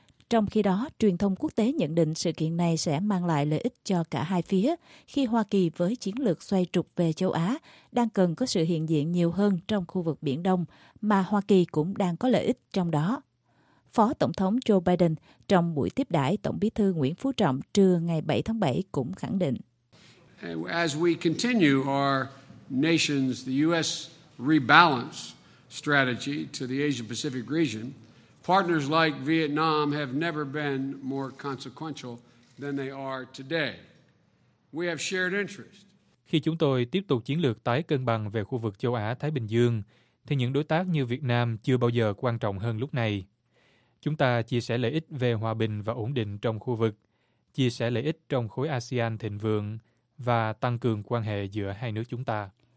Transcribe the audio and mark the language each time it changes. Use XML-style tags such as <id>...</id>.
<vi>Trong khi đó, truyền thông quốc tế nhận định sự kiện này sẽ mang lại lợi ích cho cả hai phía, khi Hoa Kỳ với chiến lược xoay trục về châu Á đang cần có sự hiện diện nhiều hơn trong khu vực Biển Đông, mà Hoa Kỳ cũng đang có lợi ích trong đó. Phó Tổng thống Joe Biden trong buổi tiếp đãi Tổng bí thư Nguyễn Phú Trọng trưa ngày 7 tháng 7 cũng khẳng định.</vi> <en>As we continue our nation's, the U.S. rebalance strategy to the Asia-Pacific region, partners like Vietnam have never been more consequential than they are today. We have shared interests.</en> <vi>Khi chúng tôi tiếp tục chiến lược tái cân bằng về khu vực châu Á-Thái Bình Dương, thì những đối tác như Việt Nam chưa bao giờ quan trọng hơn lúc này. Chúng ta chia sẻ lợi ích về hòa bình và ổn định trong khu vực, chia sẻ lợi ích trong khối ASEAN thịnh vượng, và tăng cường quan hệ giữa hai nước chúng ta.</vi>